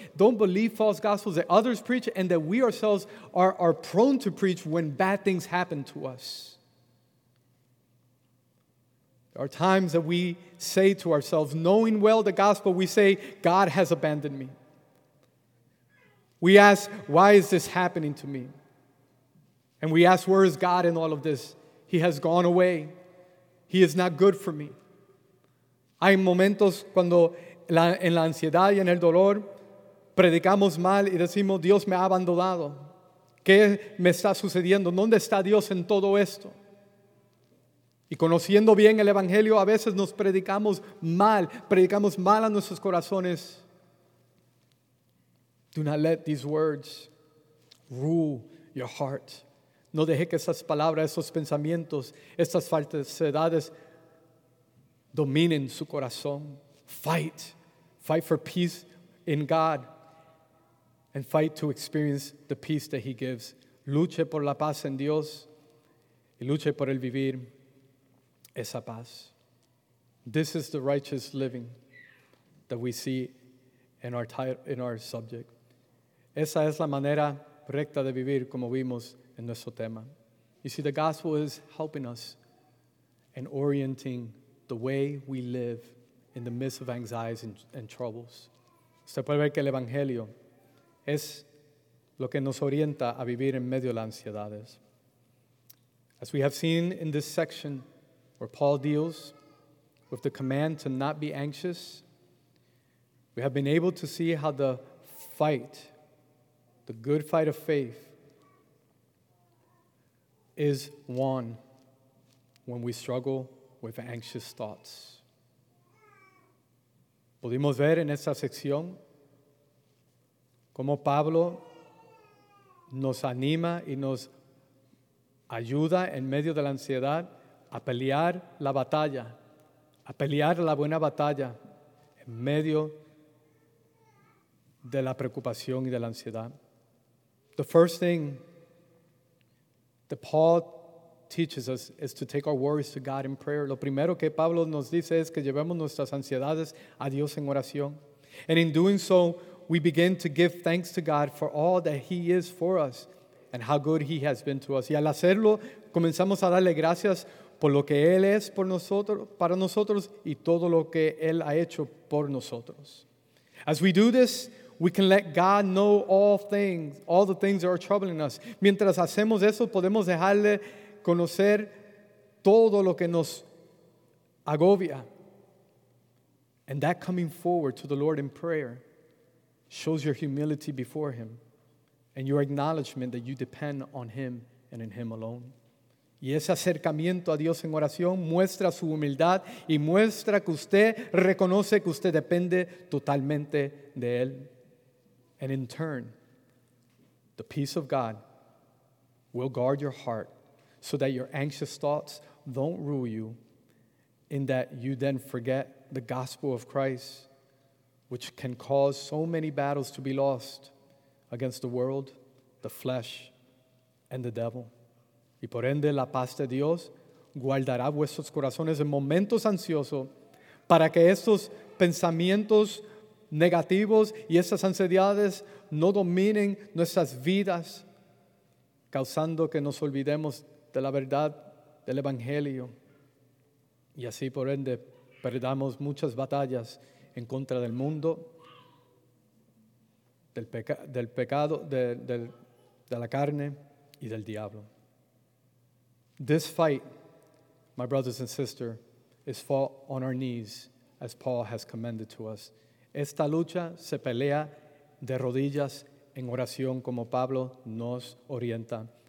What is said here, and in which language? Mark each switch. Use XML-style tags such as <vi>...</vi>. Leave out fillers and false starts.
<en>Don't believe false gospels that others preach and that we ourselves are prone to preach when bad things happen to us. There are times that we say to ourselves, knowing well the gospel, we say, God has abandoned me. We ask, why is this happening to me? And we ask, where is God in all of this? He has gone away. He is not good for me.</en> <es>Hay momentos cuando en la ansiedad y en el dolor predicamos mal y decimos, Dios me ha abandonado. ¿Qué me está sucediendo? ¿Dónde está Dios en todo esto? Y conociendo bien el Evangelio, a veces nos predicamos mal a nuestros corazones.</es> <en>Do not let these words rule your heart.</en> <es>No deje que esas palabras, esos pensamientos, esas falsedades dominen su corazón.</es> <en>Fight. Fight for peace in God. And fight to experience the peace that He gives.</en> <es>Luche por la paz en Dios y luche por el vivir esa paz.</es> <en>This is the righteous living that we see in our title, in our subject.</en> <es>Esa es la manera recta de vivir como vimos en nuestro tema.</es> <en>You see, the gospel is helping us and orienting the way we live in the midst of anxieties and troubles.</en> <es>Usted puede ver que el Evangelio es lo que nos orienta a vivir en medio de las ansiedades.</es> <en>As we have seen in this section where Paul deals with the command to not be anxious, we have been able to see how the fight, the good fight of faith, is won when we struggle with anxious thoughts.</en> <es>Pudimos ver en esta sección cómo Pablo nos anima y nos ayuda en medio de la ansiedad a pelear la batalla, a pelear la buena batalla en medio de la preocupación y de la ansiedad.</es> <en>The first thing that Paul teaches us is to take our worries to God in prayer.</en> <es>Lo primero que Pablo nos dice es que llevemos nuestras ansiedades a Dios en oración.</es> <en>And in doing so, we begin to give thanks to God for all that He is for us and how good He has been to us.</en> <es>Y al hacerlo, comenzamos a darle gracias por lo que Él es por nosotros, para nosotros y todo lo que Él ha hecho por nosotros.</es> <en>As we do this, we can let God know all the things that are troubling us.</en> <es>Mientras hacemos eso, podemos dejarle conocer todo lo que nos agobia.</es> <en>And that coming forward to the Lord in prayer shows your humility before Him and your acknowledgement that you depend on Him and in Him alone.</en> <es>Y ese acercamiento a Dios en oración muestra su humildad y muestra que usted reconoce que usted depende totalmente de Él.</es> <en>And in turn, the peace of God will guard your heart so that your anxious thoughts don't rule you, in that you then forget the gospel of Christ, which can cause so many battles to be lost against the world, the flesh, and the devil.</en> <es>Y por ende, la paz de Dios guardará vuestros corazones en momentos ansiosos para que estos pensamientos negativos y esas ansiedades no dominen nuestras vidas, causando que nos olvidemos de la verdad del Evangelio. Y así, por ende, perdamos muchas batallas en contra del mundo, del pecado, de la carne y del diablo.</es> <en>This fight, my brothers and sisters, is fought on our knees, as Paul has commended to us.</en> <es>Esta lucha se pelea de rodillas en oración, como Pablo nos orienta.</es>